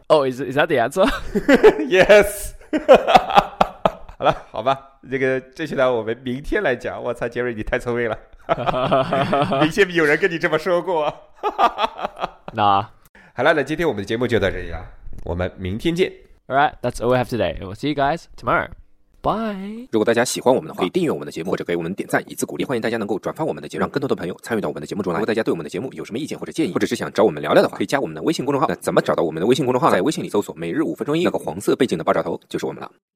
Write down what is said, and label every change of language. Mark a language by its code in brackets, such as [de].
[en] Oh, is that the answer? Yes. [zh] 好了好吧这期呢我们明天来讲我操杰瑞你太聪明了明显有人跟你这么说过那好了那今天我们的节目就到这里了我们明天见 [en] Alright, that's all we have today and we'll see you guys tomorrow Bye. [zh] 如果大家喜欢我们的话，可以订阅我们的节目或者给我们点赞以资鼓励。欢迎大家能够转发我们的节目，让更多的朋友参与到我们的节目中来。如果大家对我们的节目有什么意见或者建议，或者是想找我们聊聊的话，可以加我们的微信公众号。那怎么找到我们的微信公众号呢？在微信里搜索"每日五分钟英语"，那个黄色背景的爆炸头就是我们了。